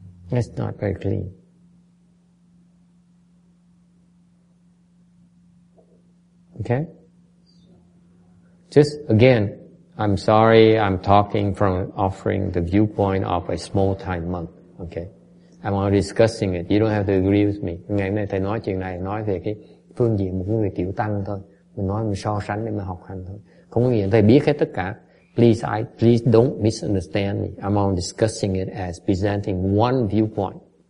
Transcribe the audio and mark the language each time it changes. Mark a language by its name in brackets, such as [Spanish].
[English] That's not very clean. Okay? Just, again, I'm sorry I'm talking from offering the viewpoint of a small-time monk. Okay? I'm not discussing it. You don't have to agree with me. [Vietnamese] Ngày hôm nay Thầy nói chuyện này, nói về cái phương diện một người tiểu tăng thôi. Mình nói mình so sánh để mình học hành thôi. Không có nghĩa Thầy biết hết tất cả. [English] Please don't misunderstand me. I'm only discussing it as presenting one viewpoint.